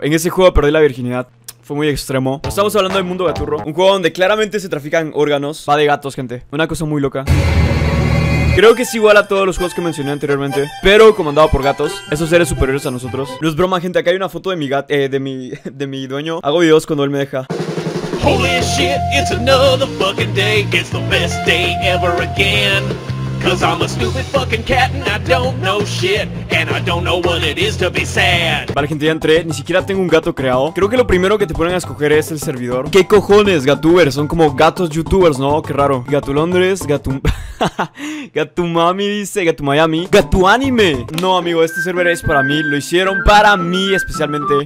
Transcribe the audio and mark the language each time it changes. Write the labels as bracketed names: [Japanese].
[Spanish] En ese juego perdí la virginidad. Fue muy extremo. Estamos hablando de Mundo Gaturro. Un juego donde claramente se trafican órganos. Va de gatos, gente. Una cosa muy loca. Creo que es igual a todos los juegos que mencioné anteriormente, pero comandado por gatos. Esos seres superiores a nosotros. No es broma, gente. Acá hay una foto de mi gato, de mi dueño. Hago videos cuando él me deja. [English] Holy shit, it's another fucking day. It's the best day ever again. Cause I'm a stupid fucking cat and I don't know shit. And I don't know what it is to be sad. [Spanish] Vale, gente, ya entré. Ni siquiera tengo un gato creado. Creo que lo primero que te ponen a escoger es el servidor. ¿Qué cojones, gatubers? Son como gatos youtubers, ¿no? Qué raro. Gatu Londres, gatu... Gatu Mami dice, Gatu Miami, Gatu Anime. No, amigo, este server es para mí. Lo hicieron para mí especialmente.